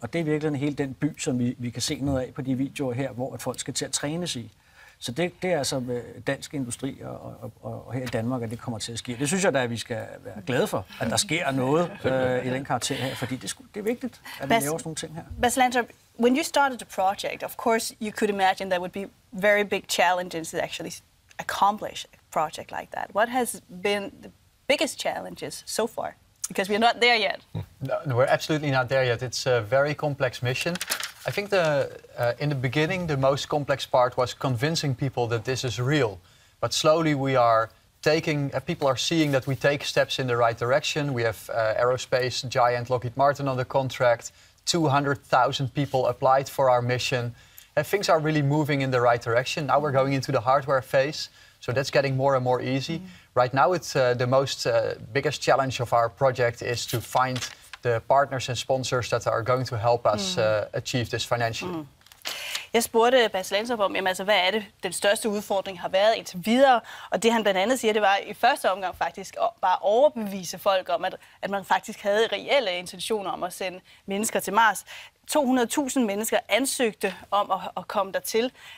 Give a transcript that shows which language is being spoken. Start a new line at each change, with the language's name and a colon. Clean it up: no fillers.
Danish: Og det er virkelig hele den by, som vi kan se noget af på de videoer her, hvor at folk skal til at trænes i. Så det er altså dansk industri og her i Danmark, at det kommer til at ske. Det synes jeg da, at vi skal være glade for, at der sker noget i den karakter her, fordi det er vigtigt, at vi laver sådan nogle ting her.
English: Bas Lansdorp, when you started the project, of course you could imagine there would be very big challenges to actually accomplish a project like that. What has been the biggest challenges so far? Because we're not there yet. No, we're absolutely not there yet. It's a very complex mission. I think in the beginning, the most complex part was convincing people that this is real. But slowly we are people are seeing that we take steps in the right direction. We have aerospace giant Lockheed Martin on the contract. 200,000 people applied for our mission. And things are really moving in the right direction. Now we're going into the hardware phase. So that's getting more and more easy. Mm-hmm. Right now, it's the most biggest challenge of our project is to find the partners and sponsors that are going to help us achieve this financially. Mm.
Danish: Jeg spurgte Bas Lansdorp om, jamen, altså, hvad er det, den største udfordring har været indtil videre? Og det, han blandt andet siger, det var i første omgang faktisk at bare overbevise folk om, at man faktisk havde reelle intentioner om at sende mennesker til Mars. 200.000 mennesker ansøgte om at komme dertil.